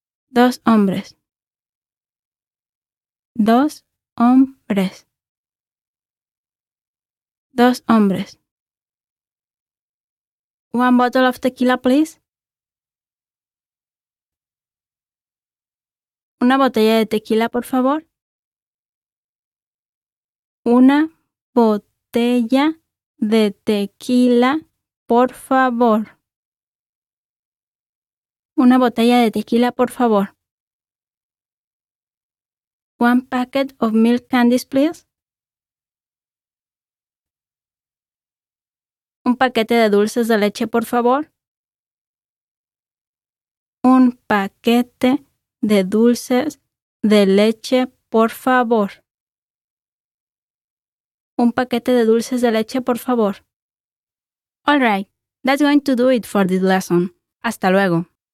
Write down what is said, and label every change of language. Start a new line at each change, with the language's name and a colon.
Spanish: Dos hombres. Dos hombres. Dos hombres.
English: One bottle of tequila, please.
Spanish: Una botella de tequila, por favor. Una botella de tequila, por favor. Una botella de tequila, por favor.
English: One packet of milk candies, please.
Spanish: Un paquete de dulces de leche, por favor. Un paquete de dulces de leche, por favor. Un paquete de dulces de leche, por favor.
English: All right, that's going to do it for this lesson.
Spanish: Hasta luego.